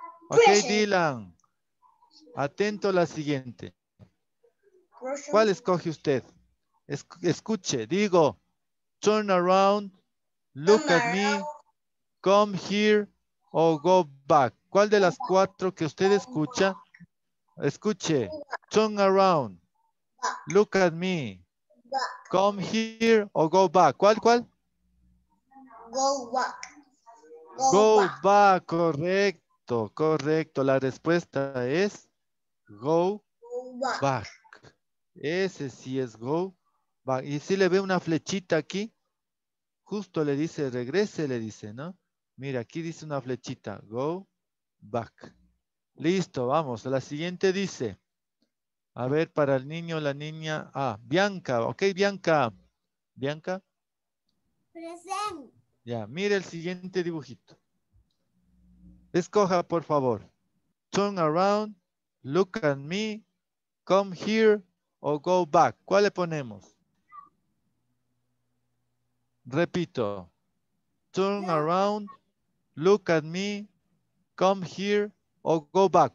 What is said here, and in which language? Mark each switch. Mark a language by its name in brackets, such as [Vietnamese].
[Spanish] Ok, Dylan. Atento a la siguiente. ¿Cuál escoge usted? [English] Escuche, digo, turn around, look at me, come here, o go back. [Spanish] ¿Cuál de las cuatro que usted escucha? [English] Escuche, turn around, look at me, come here, o go back. [Spanish] ¿Cuál, cuál? [English] Go back. [Spanish] Go back, correcto, correcto. La respuesta es go back. Ese sí es go back. Y si le ve una flechita aquí, justo le dice, regrese, le dice, ¿no? Mira, aquí dice una flechita, go back. Listo, vamos. La siguiente dice, a ver, para el niño, la niña, ah, Bianca, ok, Bianca. Bianca. [English] Present. [Spanish] Ya, mire el siguiente dibujito. Escoja, por favor. [English] Turn around, look at me, come here, o go back. ¿Cuál le ponemos? Repito. Turn around, look at me, come here, o go back.